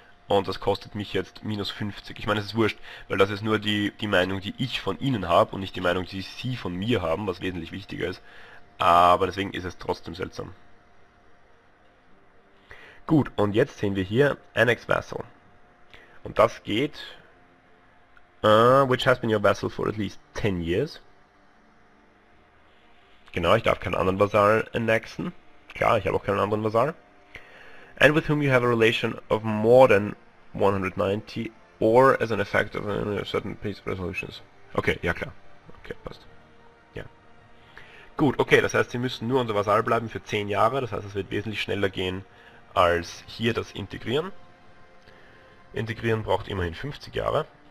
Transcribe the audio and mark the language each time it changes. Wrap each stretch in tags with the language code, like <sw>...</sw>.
<de>Und das kostet mich jetzt minus 50. Ich meine, es ist wurscht, weil das ist nur die Meinung, die ich von ihnen habe und nicht die Meinung, die sie von mir haben, was wesentlich wichtiger ist. Aber deswegen ist es trotzdem seltsam. Gut, und jetzt sehen wir hier Annex Vassal. Und das geht...</de> <en>which has been your vassal for at least 10 years.</en> <de>Genau, ich darf keinen anderen Vasall annexen. Klar, ich habe auch keinen anderen Vasall.</de> <en>And with whom you have a relation of more than 190 or as an effect of a certain peace resolutions.</en> <de>Okay, ja klar. Okay, passt. Ja. Gut, okay, das heißt, sie müssen nur unser Vasall bleiben für 10 Jahre. Das heißt, es wird wesentlich schneller gehen als hier das Integrieren. Integrieren braucht immerhin 50 Jahre.</de>